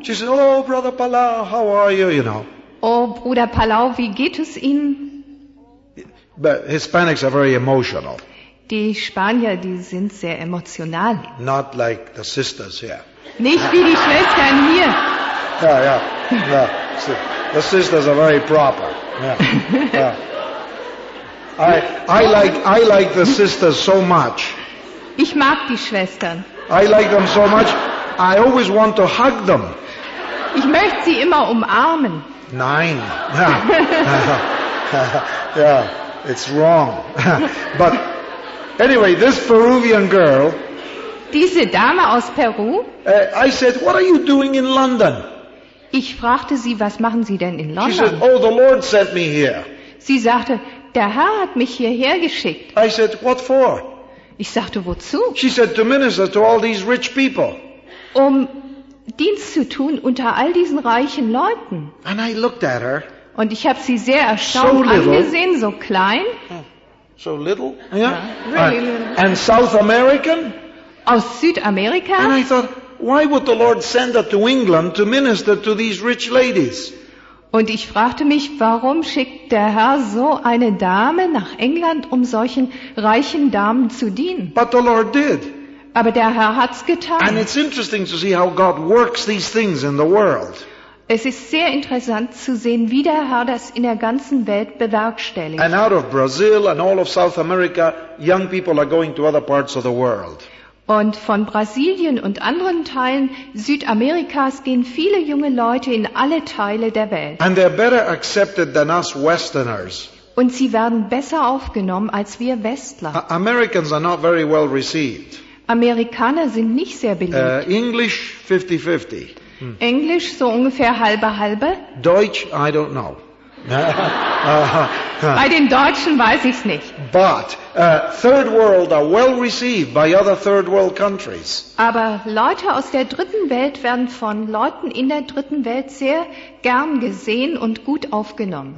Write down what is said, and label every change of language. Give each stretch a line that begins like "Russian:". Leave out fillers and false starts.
English: She said, "Oh, Brother Palau, how are you?" You know.
German: Oh, Bruder Palau, wie geht es Ihnen?
English: But Hispanics are very emotional.
German: Die Spanier, die sind sehr emotional.
English: Not like the sisters here.
German: Nicht wie die Schwestern hier.
English: Yeah. The sisters are very proper. Yeah. I like the sisters so much.
German: Ich mag die Schwestern.
English: I like them so much. I always want to hug them.
German: Ich möchte sie immer umarmen. Nein.
English: Yeah, it's wrong. But anyway, this Peruvian girl.
German: Diese Dame aus Peru.
English: I said, "What are you doing in London?"
German: Ich fragte sie, was machen Sie denn in London?
English: She said, "Oh, the Lord sent me here."
German: Sie sagte, der Herr hat mich hierher geschickt.
English: I said, "What for?"
German: Ich sagte, wozu?
English: She said, "To minister to all these rich people."
German: Um Dienst zu tun unter all diesen reichen Leuten.
English: And I looked at her.
German: Und ich habe sie sehr erstaunt angesehen, so klein.
English: So little, yeah. Really little. And South American?
German: Aus Südamerika?
English: And I thought, why would the Lord send her to England to minister to these rich ladies?
German: Und ich fragte mich, warum schickt der Herr so eine Dame nach England, um solchen reichen Damen zu dienen?
English: But the Lord did.
German: Aber der Herr hat's getan.
English: And it's interesting to see how God works these things in the world.
German: Es ist sehr interessant zu sehen, wie der Herr das in der ganzen Welt bewerkstelligt.
English: And out of Brazil and all of South America, young people are going to other parts of the world.
German: Und von Brasilien und anderen Teilen Südamerikas gehen viele junge Leute in alle Teile der Welt.
English: And they're better accepted than us Westerners.
German: Und sie werden besser aufgenommen als wir Westler.
English: Americans are not very well received.
German: Amerikaner sind nicht sehr beliebt.
English: English 50-50.
German: Englisch so ungefähr halbe.
English: Deutsch, I don't know.
German: Bei den Deutschen weiß ich's nicht.
English: But third world are well received by other third world countries.
German: Aber Leute aus der dritten Welt werden von Leuten in der dritten Welt sehr gern gesehen und gut aufgenommen.